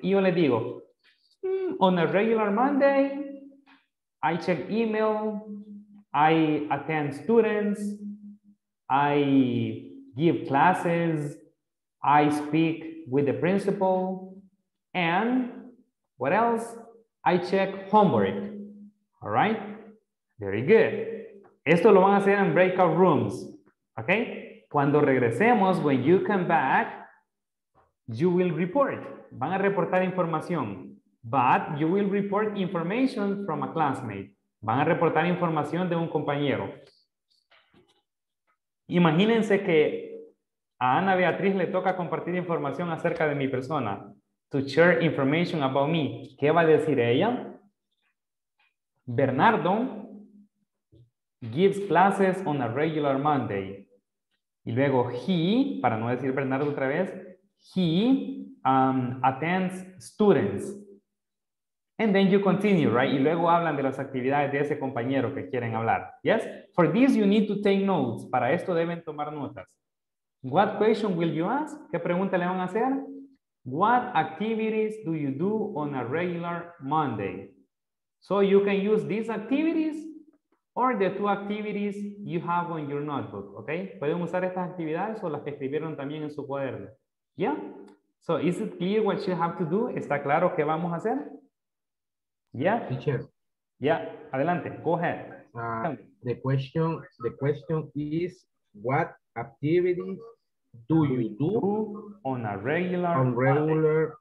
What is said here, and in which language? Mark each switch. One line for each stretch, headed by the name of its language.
Spanish: Y yo le digo,
English: on a regular Monday, I check email, I attend students, I give classes, I speak with the principal, and what else? I check homework. All right? Very good.
Spanish: Esto lo van a hacer en breakout rooms.
English: Okay?
Spanish: Cuando regresemos,
English: when you come back, you will report.
Spanish: Van a reportar información.
English: But you will report information from a classmate.
Spanish: Van a reportar información de un compañero. Imagínense que a Ana Beatriz le toca compartir información acerca de mi persona.
English: To share information about me.
Spanish: ¿Qué va a decir ella?
English: Bernardo gives classes on a regular Monday.
Spanish: Y luego he, para no decir Bernardo otra vez,
English: he attends students. And then you continue, right?
Spanish: Y luego hablan de las actividades de ese compañero que quieren hablar. Yes?
English: For this, you need to take notes.
Spanish: Para esto deben tomar notas.
English: What question will you ask?
Spanish: ¿Qué pregunta le van a hacer?
English: What activities do you do on a regular Monday? So you can use these activities or the two activities you have on your notebook, okay?
Spanish: Pueden usar estas actividades o las que escribieron también en su cuaderno.
English: Yeah? So is it clear what you have to do?
Spanish: ¿Está claro qué vamos a hacer? Yeah,
English: teacher. Yeah, adelante. Go ahead. The question is, what activities do you do on a regular